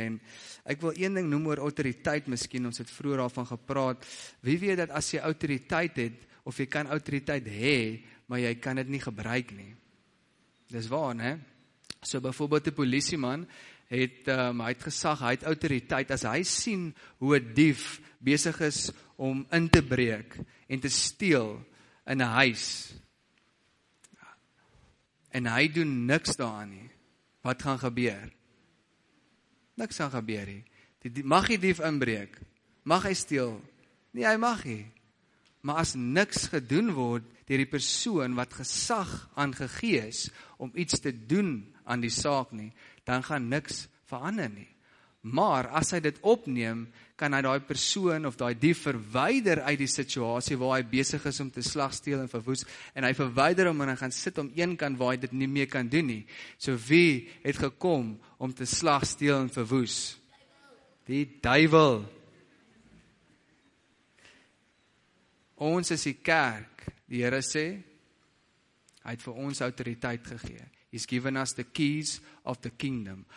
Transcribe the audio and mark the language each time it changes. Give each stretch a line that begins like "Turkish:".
Afrikaans: En ek wil een ding noem oor autoriteit, miskien ons het vroeër daarvan gepraat. Wie weet dat as jy autoriteit het, of jy kan autoriteit hê, maar jy kan dit nie gebruik nie. Dis waar, né? So byvoorbeeld 'n polisieman het hy het gesag, hy het autoriteit as hy sien hoe 'n dief besig is om in te breek en te steel in 'n huis. En hy doen niks daaraan nie. Wat gaan gebeur? Niks gaan gebeur nie. Mag hy dief inbreek? Mag hy steel? Nee, hy mag nie. Maar as niks gedoen word deur die persoon wat gesag aangegee is om iets te doen aan die saak nie, dan gaan niks verander nie. Maar as hy dit opneem, kan hy daai persoon of daai dief verwyder uit die situasie waar hy besig is om te slag, steel en verwoes, en hy verwyder hom en hy gaan sit om een kant waar hy dit nie meer kan doen nie. So wie het gekom om te slag, steel en verwoes? Die duivel. Ons is die kerk, die Here sê, hy het vir ons autoriteit gegee.
English: He's given us the keys of the kingdom.